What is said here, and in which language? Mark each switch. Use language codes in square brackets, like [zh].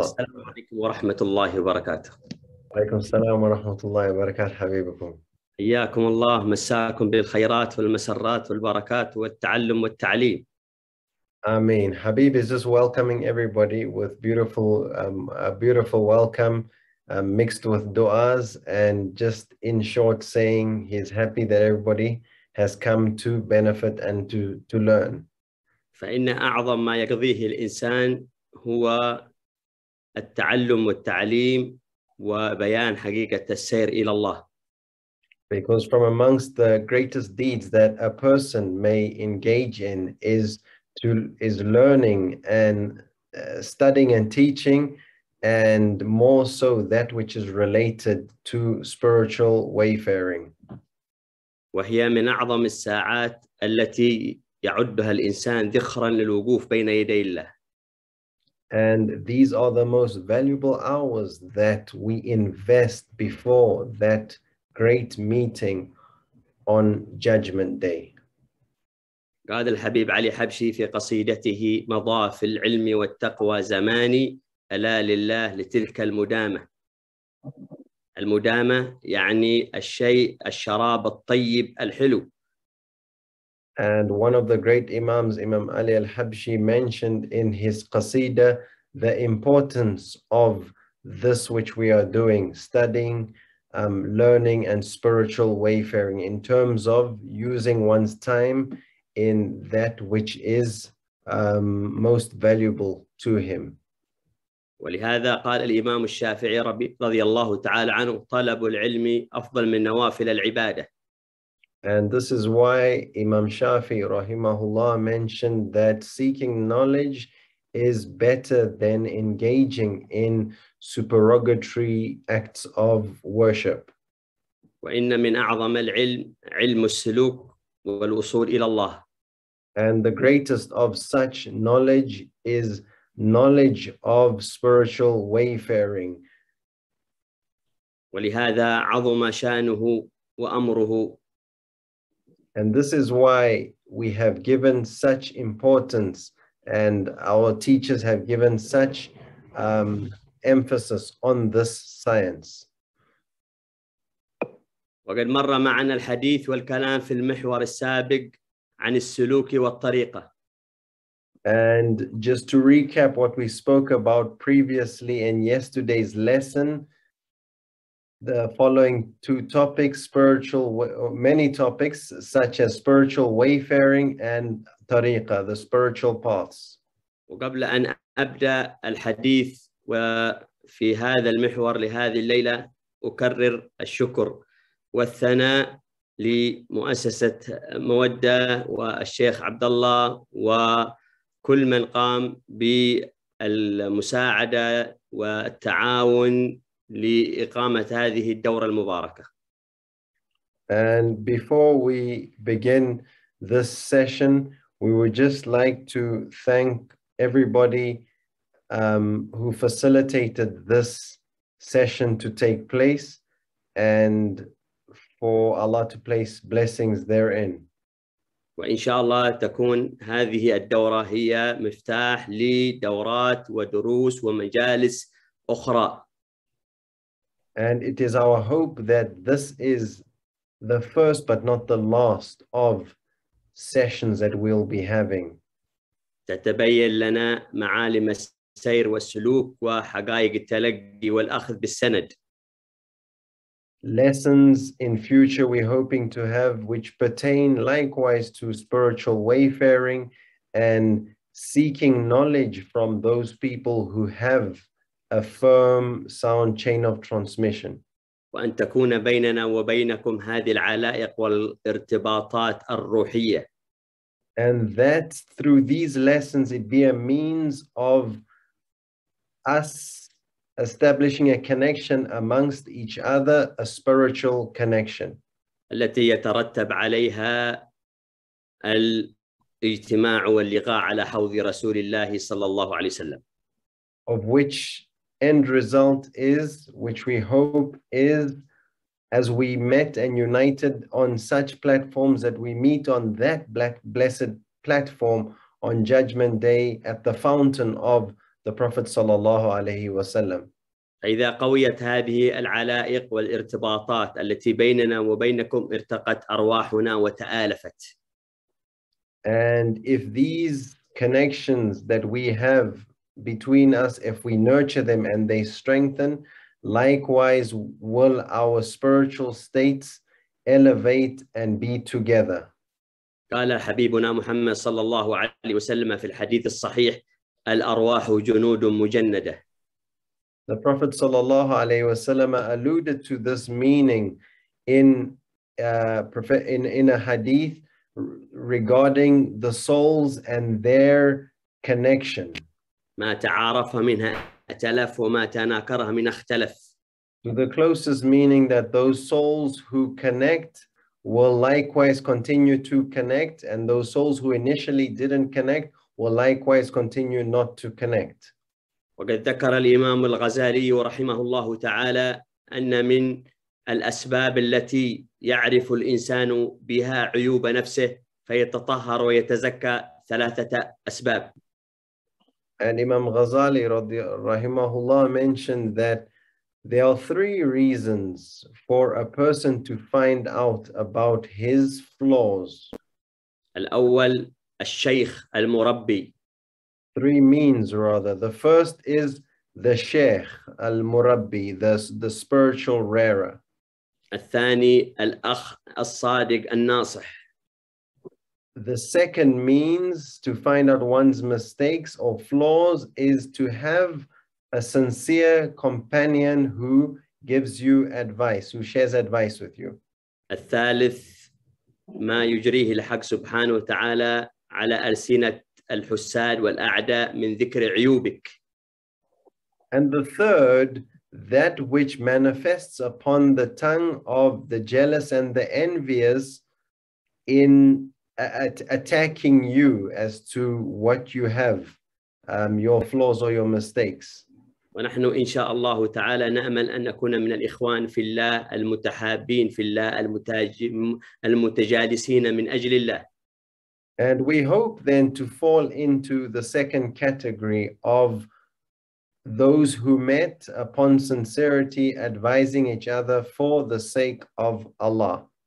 [ar] السلام عليكم ورحمة الله وبركاته. عليكم السلام ورحمة الله وبركاته حبيبكم. حياكم الله، مساكم بالخيرات والمسرات والبركات والتعلم والتعليم. آمين. [en] حبيبي is just welcoming everybody with beautiful, a beautiful welcome mixed with du'as and just in short saying he's happy that everybody has come to benefit and to learn. [ar] فإن أعظم ما يقضيه الإنسان هو التعلم والتعليم وبيان حقيقة السير إلى الله. [en] Because from amongst the greatest deeds that a person may engage in is learning and studying and teaching and more so that which is related to spiritual wayfaring. [ar] وهي من أعظم الساعات التي يعدها الإنسان ذخرا للوقوف بين يدي الله. [en] And these are the most valuable hours that we invest before that great meeting on Judgment Day. [ar] قال الحبيب علي حبشي في قصيدته مضى في العلم والتقوى زماني ألا لله لتلك المدامة. المدامة يعني الشيء الشراب الطيب الحلو. [en] And one of the great imams, Imam Ali al-Habshi, mentioned in his qasida the importance of this which we are doing, studying, learning and spiritual wayfaring in terms of using one's time in that which is most valuable to him. [ar] ولهذا قال الإمام الشافعي رضي الله تعالى عنه طلب العلم أفضل من نوافل العبادة. [en] And this is why Imam Shafi rahimahullah mentioned that seeking knowledge is better than engaging in supererogatory acts of worship. [ar] وإن من أعظم العلم علم السلوك والوصول إلى الله. [en] And the greatest of such knowledge is knowledge of spiritual wayfaring. [ar] ولهذا عظم شأنه وأمره. [en] And this is why we have given such importance and our teachers have given such emphasis on this science. [ar] وقد مر معنا الحديث والكلام في المحور السابق عن السلوك والطريقة. [en] And just to recap what we spoke about previously in yesterday's lesson, the following two topics, spiritual, many topics, such as spiritual wayfaring and tariqah, the spiritual paths. [ar] وقبل أن أبدأ الحديث وفي هذا المحور لهذه الليلة أكرر الشكر والثناء لمؤسسة مودة والشيخ عبد الله وكل من قام بالمساعدة والتعاون لإقامة هذه الدورة المباركة. [en] And before we begin this session, we would just like to thank everybody who facilitated this session to take place and for Allah to place blessings therein. [ar] وإن شاء الله تكون هذه الدورة هي مفتاح لدورات ودروس ومجالس أخرى. [en] And it is our hope that this is the first but not the last of sessions that we'll be having. [ar] تتبين لنا معالم السير والسلوك وحقائق التلقي والأخذ بالسند. [en] Lessons in future we're hoping to have which pertain likewise to spiritual wayfaring and seeking knowledge from those people who have a firm sound chain of transmission. [ar] وأن تكون بيننا وبينكم هذه العلائق والارتباطات الروحية. [en] And that through these lessons it be a means of us establishing a connection amongst each other, a spiritual connection. [ar] التي يترتب عليها الاجتماع واللقاء على حوض رسول الله صلى الله عليه وسلم. [en] Of which end result is, which we hope is, as we met and united on such platforms that we meet on that blessed platform on Judgment Day at the fountain of the Prophet sallallahu alayhi wa sallam. [ar] إذا قويت هذه العلائق والارتباطات التي بيننا وبينكم ارتقت أرواحنا وتآلفت. [en] And if these connections that we have between us, if we nurture them and they strengthen, likewise will our spiritual states elevate and be together. [ar] قال حبيبنا محمد صلى الله عليه وسلم في الحديث الصحيح الأرواح جنود مجندة. [en] The Prophet sallallahu alayhi wa sallam alluded to this meaning in a hadith regarding the souls and their connection. [ar] ما تعارف منها ائتلف وما تناكرها من اختلف. [en] The closest meaning that those souls who connect will likewise continue to connect, and those souls who initially didn't connect will likewise continue not to connect. [ar] وقد ذكر الإمام الغزالي رحمه الله تعالى أن من الأسباب التي يعرف الإنسان بها عيوب نفسه فيتطهر ويتزكى ثلاثة أسباب. الإمام غزالي رحمه الله [en] mentioned that there are three reasons for a person to find out about his flaws. [ar] الأول الشيخ المربي. [en] Three means rather. The first is the Sheikh al-Murabbi, the spiritual rarer. [ar] الثاني الأخ الصادق الناصح. [en] The second means to find out one's mistakes or flaws is to have a sincere companion who gives you advice, who shares advice with you. [ar] الثالث ما يجريه الحق سبحانه وتعالى على ألسنة الحساد والأعداء من ذكر عيوبك. [en] And the third, that which manifests upon the tongue of the jealous and the envious in attacking you as to what you have, your flaws or your mistakes. [ar] ونحن إن شاء الله تعالى نأمل أن نكون من الإخوان في الله المتحابين في الله المتجالسين من أجل الله. [en] And we hope then to fall into the second category of those who met upon sincerity, advising each other for the sake of Allah.